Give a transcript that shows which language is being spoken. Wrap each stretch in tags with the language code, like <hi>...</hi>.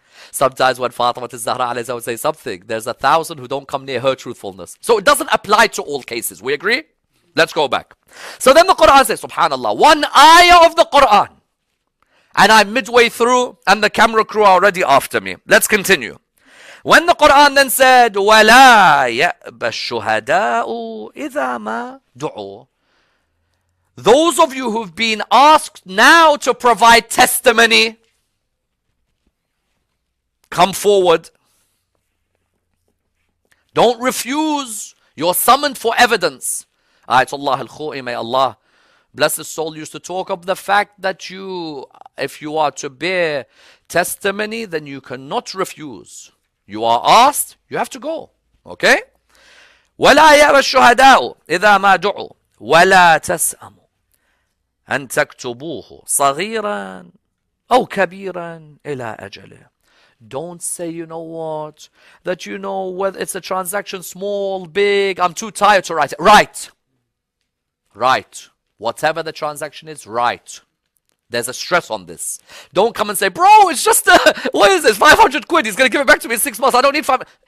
<en>Sometimes when Fatima al-Zahra alayhi salam would say something, there's 1,000 who don't come near her truthfulness. So it doesn't apply to all cases. We agree? Let's go back. So then the Quran says, subhanallah, one ayah of the Quran, and I'm midway through, and the camera crew are already after me. Let's continue. When the Quran then said,</en> <ar>وَلَا يَأْبَ الشُّهَدَاءُ إِذَا مَا دُعُوا.</ar> <en>Those of you who've been asked now to provide testimony, come forward. Don't refuse. You're summoned for evidence. Ayatullah al-Khu'i, may Allah bless his soul, used to talk of the fact that you, if you are to bear testimony, then you cannot refuse. You are asked, you have to go. Okay?</en> <ar>وَلَا يَأْبَ الشُّهَدَاءُ إِذَا مَا دُعُوا وَلَا تَسْأَمُوا أن تكتبوه صغيرا أو كبيرا إلى أجله.</ar> <en>Don't say, you know what, that you know whether it's a transaction, small, big, I'm too tired to write it. Write. Write. Whatever the transaction is, write. There's a stress on this. Don't come and say, bro, it's just a, what is this, 500 quid, he's going to give it back to me in 6 months, I don't need 500.</en>